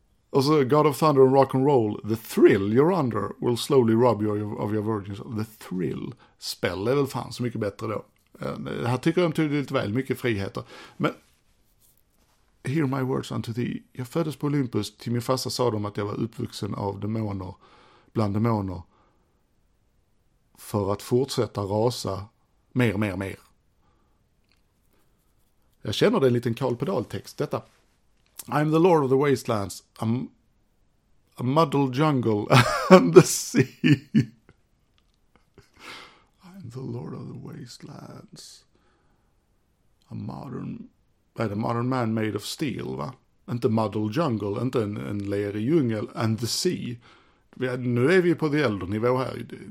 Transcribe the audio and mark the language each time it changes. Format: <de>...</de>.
<en>Och så God of Thunder and Rock and Roll. The thrill you're under will slowly rob you of your virgins. The thrill.</en> <sv>Spell är väl fan så mycket bättre då. Här tycker de tydligt väl mycket friheter. Men...</sv> <en>Hear my words unto thee.</en> <sv>Jag föddes på Olympus. Till min farsa sa de att jag var uppvuxen av demoner. Bland demoner. För att fortsätta rasa. Mer, mer, mer. Jag känner det en liten Karl Pedal-text. Detta.</sv> <en>I'm the lord of the wastelands. A muddled jungle. And the sea. I'm the lord of the wastelands. A modern man made of steel, va?</en> <sv>Inte</sv> <en>muddle jungle,</en> <sv>inte en lerig djungel,</sv> <en>and the sea.</en> <sv>Nu är vi på the elder nivå här.</sv>